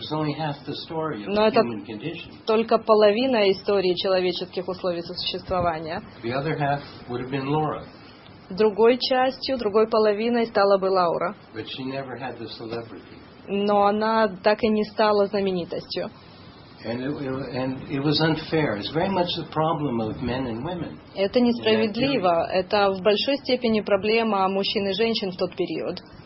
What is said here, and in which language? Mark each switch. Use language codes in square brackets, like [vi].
[ru] Но это только половина истории человеческих условий существования. [en] The other half would have been Laura. [ru] Другой частью, другой половиной стала бы Лаура. [en] But she never had the celebrity. [ru] Но она так и не стала знаменитостью. [en] And it was unfair. It's very much the problem of men and women. [ru] Это несправедливо. Это в большой степени проблема мужчин и женщин в тот период.